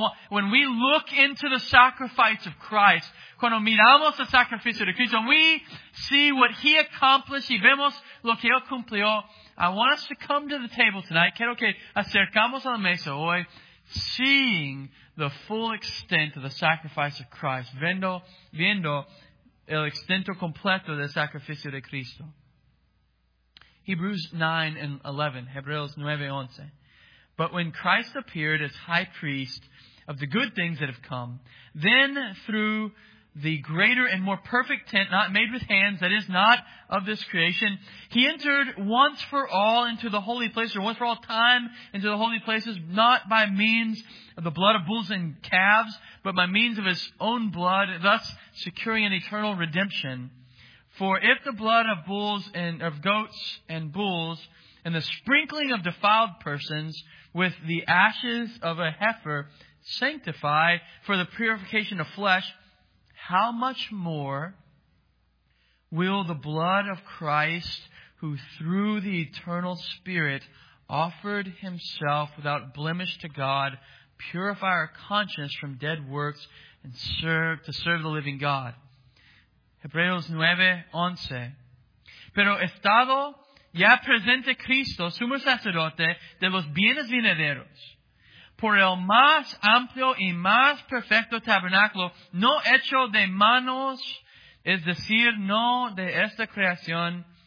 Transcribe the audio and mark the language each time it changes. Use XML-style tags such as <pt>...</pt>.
<en>When we look into the sacrifice of Christ,</en> <es>cuando miramos el sacrificio de Cristo,</es> <en>we see what He accomplished</en> <es>y vemos lo que Él cumplió,</es> <en>I want us to come to the table tonight.</en> <es>Quiero que acercamos a la mesa hoy,</es> <en>seeing the full extent of the sacrifice of Christ.</en> <es>Viendo el extento completo del sacrificio de Cristo.</es> <en>Hebrews 9 and 11.</en> <es>Hebreos 9, 11.</es> <en>But when Christ appeared as high priest of the good things that have come, then through the greater and more perfect tent, not made with hands, that is not of this creation, He entered once for all into the holy place, or once for all time into the holy places, not by means of the blood of bulls and calves, but by means of His own blood, thus securing an eternal redemption. For if the blood of bulls and of goats and bulls and the sprinkling of defiled persons with the ashes of a heifer sanctify for the purification of flesh, how much more will the blood of Christ, who through the eternal Spirit offered Himself without blemish to God, purify our conscience from dead works and serve the living God?</en> <es>Hebreos 9, 11. Pero estado ya presente Cristo, sumo sacerdote de los bienes venideros, por el más amplio y más perfecto tabernáculo, no hecho de manos, es decir, no de esta creación,</es>